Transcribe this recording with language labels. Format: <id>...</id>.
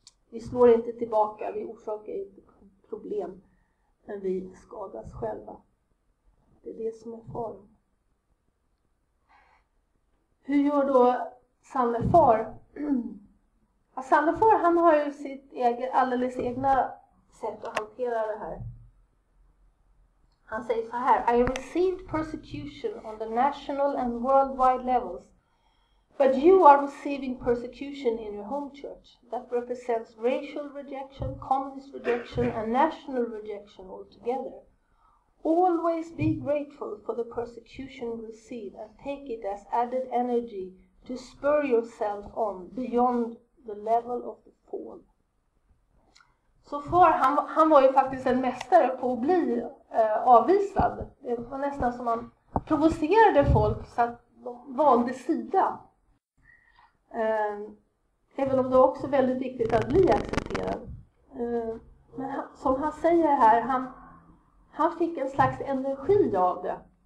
<sv>Vi slår inte tillbaka, vi orsakar inte problem, men vi skadas själva. Det är det som är farligt. Hur gör då sanne far? Ja, sanne far, han har ju sitt alldeles egna sätt att hantera det här. Han säger så här:</sv> <en>"I received persecution on the national and worldwide levels, but you are receiving persecution in your home church. That represents racial rejection, communist rejection and national rejection altogether. Always be grateful for the persecution you receive and take it as added energy to spur yourself on beyond the level of the fall."</en> <sv>Så far, han var ju faktiskt en mästare på att bli avvisad. Det var nästan som han provocerade folk så att de valde sida. Även om det var också väldigt viktigt att bli accepterad. Men som han säger här, han fick en slags energi av det.</sv>